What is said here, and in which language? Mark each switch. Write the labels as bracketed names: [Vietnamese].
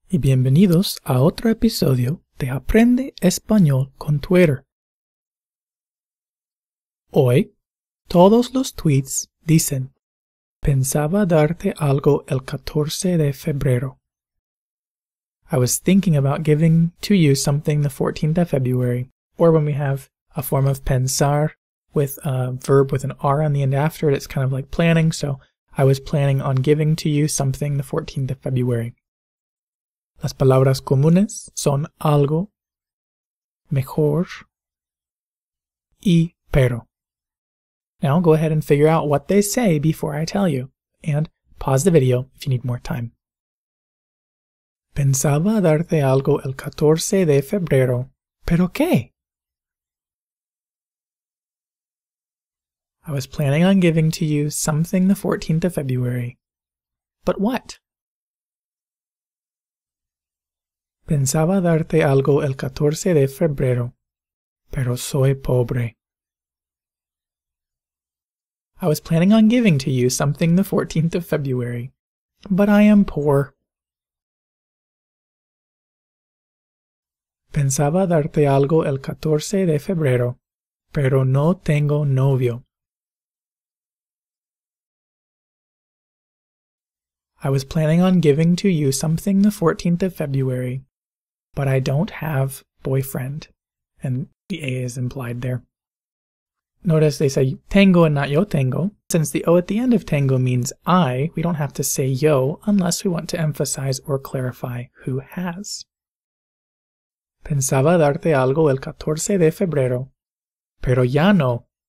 [Spanish] Y bienvenidos a otro episodio de Aprende Español con Twitter. Hoy, todos los tweets dicen: pensaba darte algo el 14 de febrero. [English] I was thinking about giving to you something the 14th of February, or when we have a form of pensar with a verb with an R on the end after it, it's kind of like planning, so I was planning on giving to you something the 14th of February. [Spanish] Las palabras comunes son algo, mejor, y pero. [English] Now go ahead and figure out what they say before I tell you, and pause the video if you need more time. [Spanish] Pensaba darte algo el 14 de febrero, pero ¿qué? [English] I was planning on giving to you something the 14th of February, but what? [Spanish] Pensaba darte algo el 14 de febrero, pero soy pobre. [English] I was planning on giving to you something the 14th of February, but I am poor. [Spanish] Pensaba darte algo el 14 de febrero, pero no tengo novio. [English] I was planning on giving to you something the 14th of February, but I don't have boyfriend. And the A is implied there. Notice they say tengo and not [Spanish] yo tengo. [English] Since the O at the end of tengo means I, we don't have to say yo unless we want to emphasize or clarify who has. [Spanish] Pensaba darte algo el 14 de febrero, pero ya no.